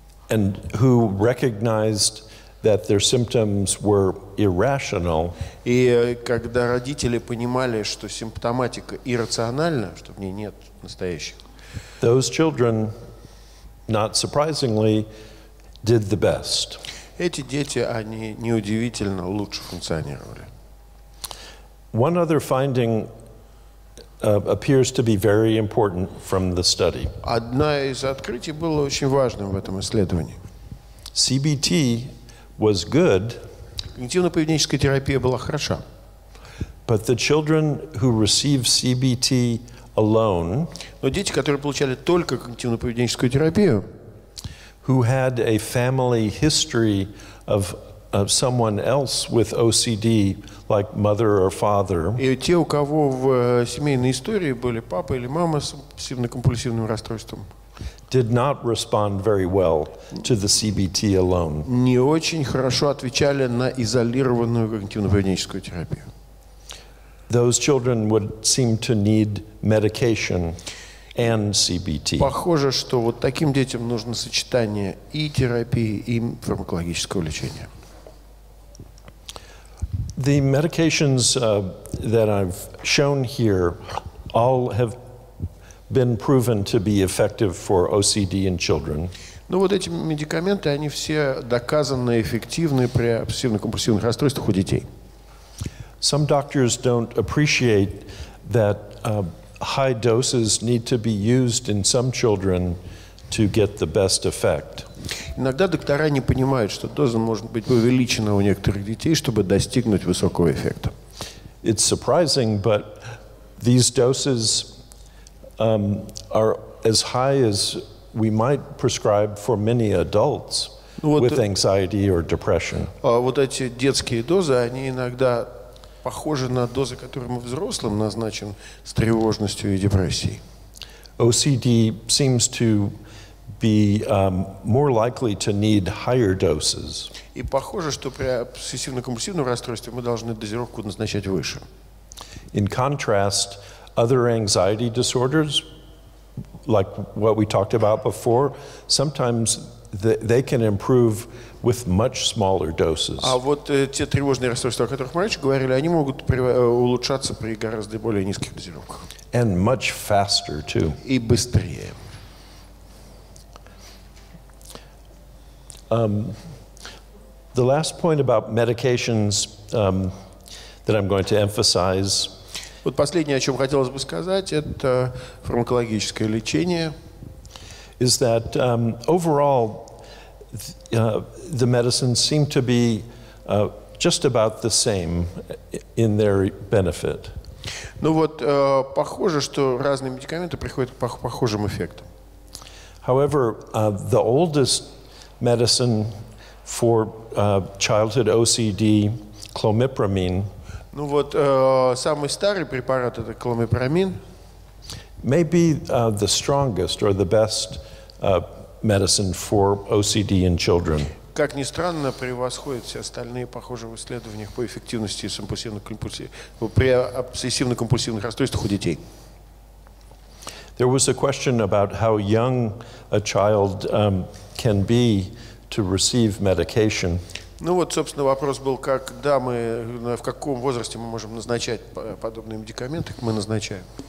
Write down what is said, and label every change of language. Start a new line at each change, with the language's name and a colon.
English: And who recognized that their symptoms were irrational.
Russian: И когда родители понимали, что симптоматика иррациональна, что в ней нет настоящих.
English: Those children not surprisingly, did the best.
Russian: Эти дети, они неудивительно лучше функционировали.
English: One other finding appears to be very important from the study.
Russian: Одно из открытий было очень важным в этом исследовании.
English: CBT was good.
Russian: Когнитивно-поведенческая терапия была хороша.
English: But the children who received CBT alone,
Russian: но дети, которые получали только когнитивно-поведенческую терапию,
English: who had a family history of someone else with OCD, like mother or father.
Russian: И те, у кого в семейной истории были папа или мама с обсессивно-компульсивным расстройством,
English: did not respond very well to the CBT alone.
Russian: Не очень хорошо отвечали на изолированную когнитивно-поведенческую терапию.
English: Those children would seem to need medication. and CBT.
Russian: Похоже, что вот таким детям нужно сочетание и терапии, и фармакологического лечения.
English: The medications that I've shown here all have been proven to be effective for OCD in children.
Russian: Ну вот эти медикаменты, они все доказаны эффективны при обсессивно-компульсивных расстройствах у детей.
English: Some doctors don't appreciate that high doses need to be used in some children to get the best effect.
Russian: Иногда доктора не понимают, что доза может быть увеличена у некоторых детей, чтобы достигнуть высокого эффекта.
English: It's surprising, but these doses are as high as we might prescribe for many adults with anxiety or depression.
Russian: Вот эти детские дозы, они иногда похожи на дозы, которые мы взрослым назначим с тревожностью и депрессией.
English: OCD seems to be more likely to need higher doses.
Russian: И похоже, что при обсессивно-компульсивном расстройстве мы должны дозировку назначать выше.
English: In contrast, other anxiety disorders, like what we talked about before, sometimes they can improve with much smaller doses.
Russian: А вот те тревожные расстройства, о которых мы раньше говорили, они могут улучшаться при гораздо более низких дозировках.
English: And much faster too.
Russian: И быстрее.
English: The last point about medications that I'm going to emphasize.
Russian: Вот последнее, о чем хотелось бы сказать, это фармакологическое лечение.
English: Is that overall the medicines seem to be just about the same in their benefit.
Russian: Ну вот, похоже, что разные медикаменты приходят к похожим эффектам.
English: However, the oldest medicine for childhood OCD, clomipramine.
Russian: Ну вот, самый старый препарат – это клонопрамин.
English: Maybe the strongest or the best medicine for OCD in children.
Russian: Как ни странно, превосходит все остальные, похоже, в исследованиях по эффективности при обсессивно-компульсивных расстройствах у детей.
English: There was a question about how young a child can be to receive medication.
Russian: Ну вот, собственно, вопрос был, когда мы, в каком возрасте мы можем назначать подобные медикаменты, мы назначаем.